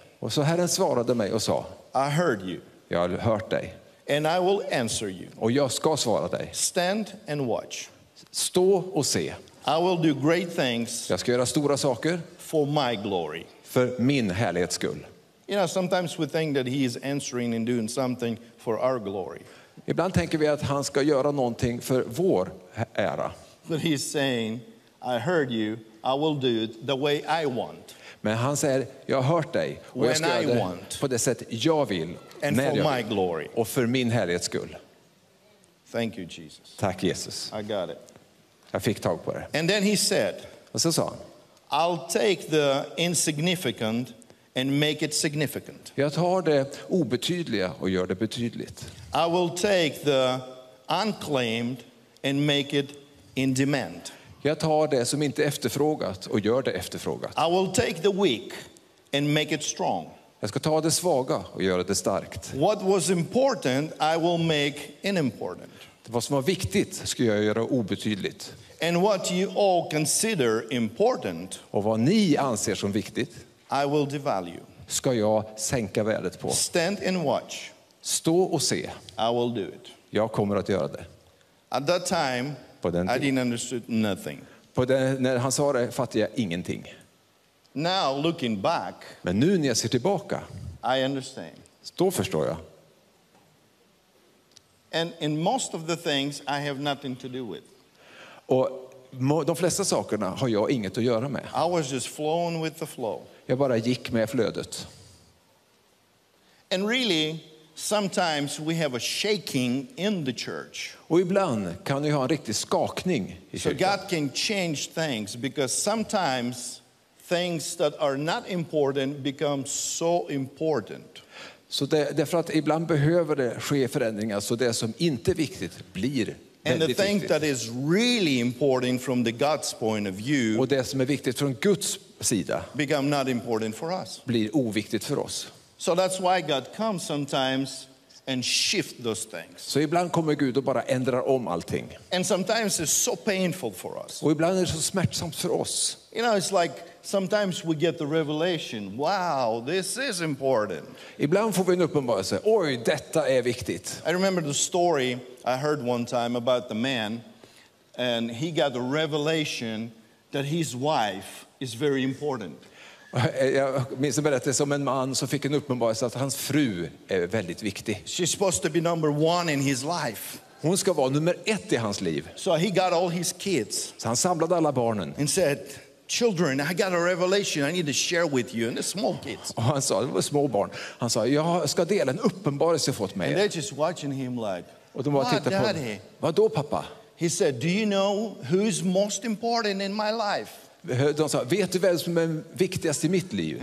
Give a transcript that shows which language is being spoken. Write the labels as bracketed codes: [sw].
[sv] och så Herren svarade mig och sa, [en] I heard you. [sv] Jag har hört dig. [en] And I will answer you. [sv] Och jag ska svara dig. [en] Stand and watch. [sv] Stå och se. [en] I will do great things. [sv] Jag ska göra stora saker. [en] For my glory. [sv] För min härlighets skull. [en] You know, sometimes we think that he is answering and doing something for our glory. [sv] Ibland tänker vi att han ska göra någonting för vår ära. [en] But he's saying, I heard you. I will do it the way I want. [sv] Men han säger, jag har hört dig och jag ska göra det på det sätt jag vill, [en] and [sv] när [en] for [sv] jag [en] my [sv] vill. [en] Glory. [sv] Och för min härlighets skull. [en] Thank you, Jesus. [sv] Tack Jesus. [en] I got it. [sv] Jag fick tag på det. [en] And then he said, [sv] och så sa han, [en] I'll take the insignificant and make it significant. [sv] Jag tar det obetydliga och gör det betydligt. [en] I will take the unclaimed and make it in demand. [sv] Jag tar det som inte efterfrågat och gör det efterfrågat. [en] I will take the weak and make it strong. [sv] Jag ska ta det svaga och göra det starkt. [en] What was important, I will make unimportant. [sv] Det vad som var viktigt ska jag göra obetydligt. [en] And what you all consider important, [sv] och vad ni anser som viktigt, [en] I will devalue. [sv] Ska jag sänka värdet på. [en] Stand and watch. [sv] Stå och se. [en] I will do it. [sv] Jag kommer att göra det. [en] At that time, I didn't understand nothing. [sv] På den, när han sa det fattade jag ingenting. [en] Now looking back, [sv] men nu när jag ser tillbaka, [en] I understand. [sv] Då förstår jag. [en] And in most of the things I have nothing to do with. [sv] Och de flesta sakerna har jag inget att göra med. [en] I was just flowing with the flow. [sv] Jag bara gick med flödet. [en] And really, sometimes we have a shaking in the church. [sv] Och ibland kan vi ha en riktig skakning i kyrkan. [en] So God can change things because sometimes things that are not important become so important. [sv] Så det är för att ibland behöver det ske förändringar så det som inte är viktigt blir väldigt viktigt. [en] And the thing that is really important from the God's point of view, [sv] och det som är viktigt från Guds sida, [en] become not important for us. [sv] Blir oviktigt för oss. [en] So that's why God comes sometimes and shift those things. [sv] Så ibland kommer Gud och bara ändrar om allting. [en] And sometimes it's so painful for us. [sv] Och ibland är det så smärtsamt för oss. [en] You know, it's like sometimes we get the revelation, wow, this is important. [sv] Ibland får vi en uppenbarelse, oj, detta är viktigt. [en] I remember the story I heard one time about the man, and he got the revelation that his wife is very important. [sv] Jag minns en berättelse om en man som fick en uppenbarelse att hans fru är väldigt viktig. [en] She's supposed to be number one in his life. [sv] Hon ska vara nummer ett i hans liv. [en] So he got all his kids. [sv] Så han samlade alla barnen. [en] And said, children, I got a revelation I need to share with you. And the small kids. [sv] Och han sa, det var små barn. Han sa, jag ska dela en uppenbarelse jag fått med er. [en] And they're just watching him like, [sv] och de bara tittar på honom. Vad då pappa? [en] He said, do you know who's most important in my life? [sv] De sa, vet du vem som är viktigast i mitt liv?